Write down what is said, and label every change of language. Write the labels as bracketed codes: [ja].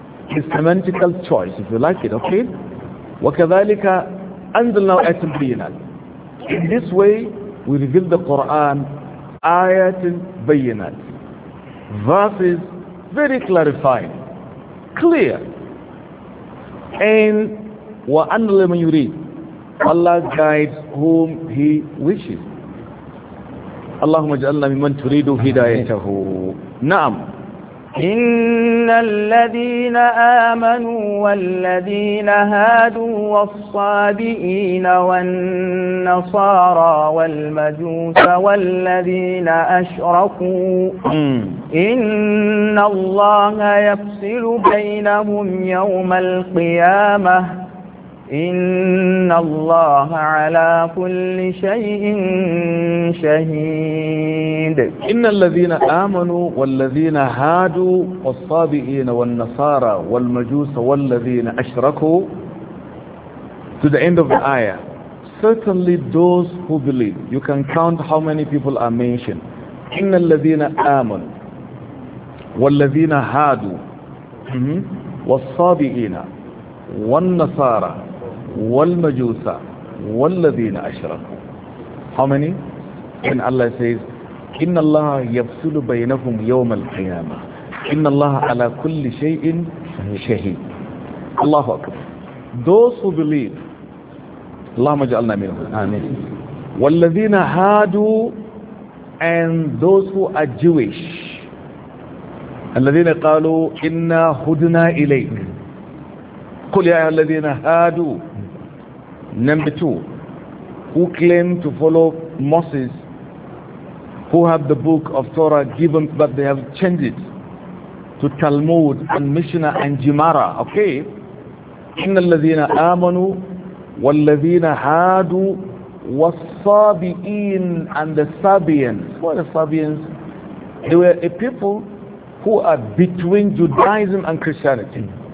[en] It's semantical choice if you like it, okay? [ar] وَكَذَلِكَ أَنزَلْنَاهُ آيَاتٍ بَيِّنَاتٍ. [en] In this way, we reveal the Quran, [ar] آيَاتٍ بَيِّنَاتٍ. [en] Verses very clarifying, clear. And [ar] وَأَنَّ لَمَنْ يُرِيدُ. [en] Allah guides whom He wishes. [ar] اللهم اجعلنا ممن تريد هدايته. نعم. إن الذين آمنوا والذين هادوا والصابئين والنصارى والمجوس والذين أشركوا إن الله يفصل بينهم يوم القيامة إن الله على كل شيء شهيد. إن الذين آمنوا والذين هادوا والصابئين والنصارى والمجوس والذين أشركوا. [en] To the end of the ayah. Certainly those who believe. You can count how many people are mentioned. [ar] إن الذين آمنوا والذين هادوا والصابئين والنصارى وَالْمَجُوسَ وَالَّذِينَ أَشْرَكُوا. [en] How many? When Allah says, [ar] إِنَّ اللَّهَ يَفْصِلُ بَيْنَهُمْ يَوْمَ الْقِيَامَةِ إِنَّ اللَّهَ عَلَى كُلِّ شَيْءٍ شَهِيدٌ. Allah Akbar. [en] Those who believe, [ar] اللهم اجعلنا منهم. آمين. وَالَّذِينَ هَادُوا [en] and those who are Jewish. [ar] الَّذِينَ قَالُوا إِنَّا هُدْنَا إِلَيْكَ. قُلْ يَا أَيُّهَا الَّذِينَ هَادُوا. [en] Number two, who claim to follow Moses, who have the book of Torah given, but they have changed it to Talmud and Mishnah and Gemara. Okay. [ar] إِنَّ الَّذِينَ آمَنُوا وَالَّذِينَ هَادُوا وَالصَّابِئِينَ [en] and the Sabians. What are the Sabians? They were a people who are between Judaism and Christianity.